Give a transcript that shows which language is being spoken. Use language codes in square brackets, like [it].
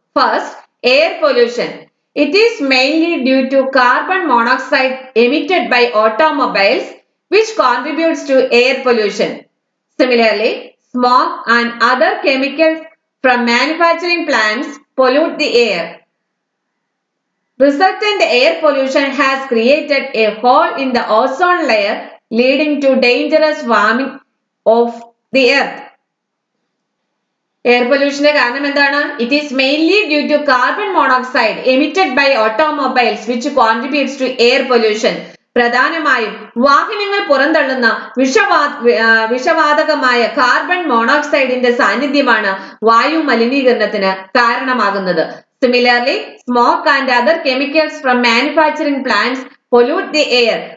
[en] First, air pollution. It is mainly due to carbon monoxide emitted by automobiles which contributes to air pollution. Similarly, smog and other chemicals from manufacturing plants pollute the air. Resultant air pollution has created a hole in the ozone layer, leading to dangerous warming of the earth. Air pollution [ml] ne kaaranam endana? [en] It is mainly due to carbon monoxide emitted by automobiles, which contributes to air pollution. [ml] പ്രധാനമായും വാഹനങ്ങൾ പുറന്തള്ളുന്ന വിഷവാതകമായ carbon മോണോക്സൈഡിന്റെ സാന്നിധ്യമാണ് വായു മലിനീകരണത്തിന് കാരണമാകുന്നത്. [en] Similarly, smoke and other chemicals from manufacturing plants pollute the air.